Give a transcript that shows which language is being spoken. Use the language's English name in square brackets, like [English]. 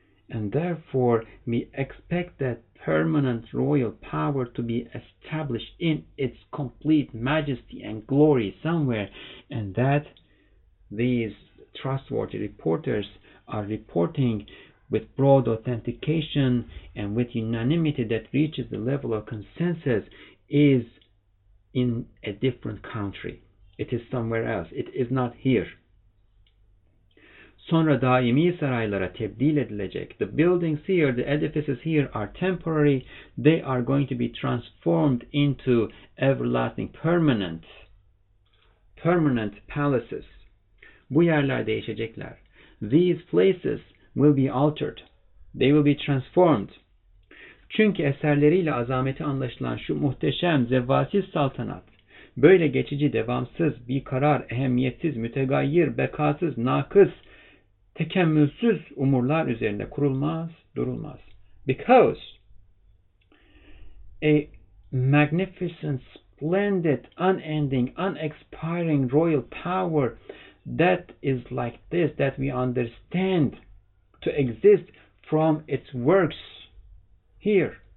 [English] And therefore, we expect that permanent royal power to be established in its complete majesty and glory somewhere, and that these trustworthy reporters are reporting with broad authentication and with unanimity that reaches the level of consensus is in a different country. It is somewhere else. It is not here. [Turkish] Sonra daimi saraylara tebdil edilecek. [English] The buildings here, the edifices here are temporary. They are going to be transformed into everlasting, permanent palaces. [Turkish] Bu yerler değişecekler. [English] These places will be altered. They will be transformed. [Turkish] Çünkü eserleriyle azameti anlaşılan şu muhteşem zevvasiz saltanat, böyle geçici, devamsız, bir karar, ehemmiyetsiz, mütegayir, bekasız, nakıs, tekemmülsüz umurlar üzerinde kurulmaz, durulmaz. [English] Because a magnificent, splendid, unending, unexpiring royal power that is like this, that we understand to exist from its works here.